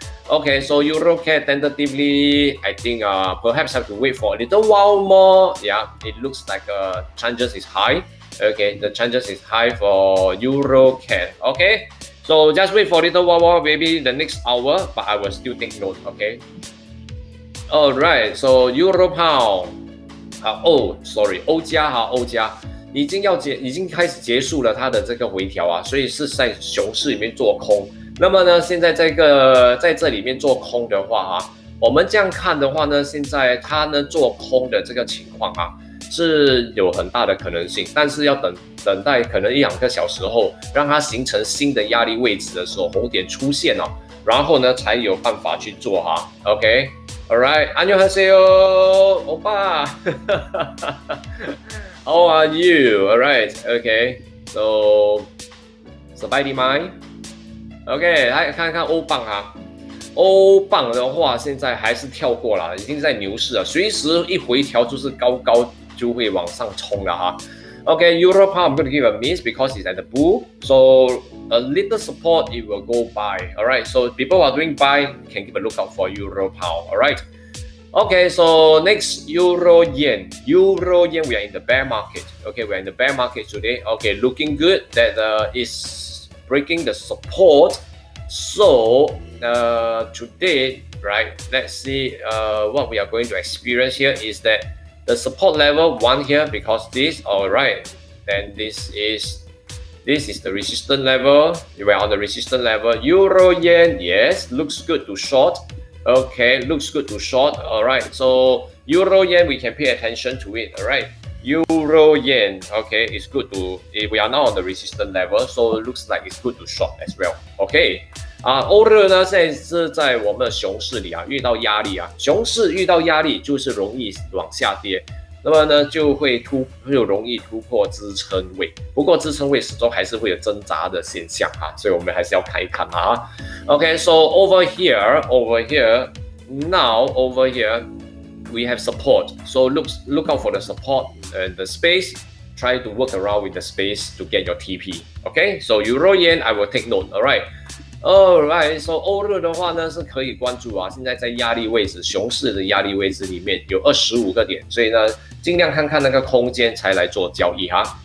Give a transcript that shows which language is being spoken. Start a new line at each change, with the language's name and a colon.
English: Okay, so EuroCAD tentatively, I think perhaps have to wait for a little while more. Yeah, it looks like chances is high. Okay, the chances is high for EuroCAD. Okay, so just wait for a little while more, maybe the next hour, but I will still take note, okay? All right, so Euro Pound.
Chinese: 好，哦 ，
English: sorry，
Chinese: 欧加哈，欧加已经要结，已经开始结束了它的这个回调啊，所以是在熊市里面做空。那么呢，现在在这里面做空的话啊，我们这样看的话呢，现在它呢做空的这个情况啊，是有很大的可能性，但是要等待可能一两个小时后，让它形成新的压力位置的时候，红点出现哦，然后呢才有办法去做哈。
English: OK。 All right,
Korean: 안녕하세요오빠
English: How are you? All right, okay. So,
Chinese: 失败的吗 ？Okay, 来看看欧镑啊。欧镑的话，现在还是跳过了，已经在牛市了，随时一回调就是高高就会往上冲了哈。
English: Okay, Euro Pound, I'm going to give a miss because it's at the bull. So a little support, it will go buy. All right. So people who are doing buy can keep a lookout for Euro Pound. All right. Okay. So next, Euro Yen. Euro Yen, we are in the bear market. Okay, we are in the bear market today. Okay, looking good that is breaking the support. So today, right? Let's see. What we are going to experience here is that. The support level one here because this, all right, then this is the resistance level. We are on the resistance level. Euro yen, yes, looks good to short. Okay, looks good to short. All right, so euro yen, we can pay attention to it. All right, euro yen, okay, it's good to, we are now on the resistance level, so it looks like it's good to short as well. Okay.
Chinese: 啊，欧日呢，现在是在我们的熊市里啊，遇到压力啊，熊市遇到压力就是容易往下跌，那么呢就会就容易突破支撑位，不过支撑位始终还是会有挣扎的现象啊，所以我们还是要看一看啊。
English: Okay, so over here, we have support. So look out for the support and the space. Try to work around with the space to get your TP. Okay, so Euro Yen, I will take note. All right. Alright, so
Chinese: 欧日的话呢是可以关注啊，现在在压力位置，熊市的压力位置里面有25个点，所以呢尽量看看那个空间才来做交易哈。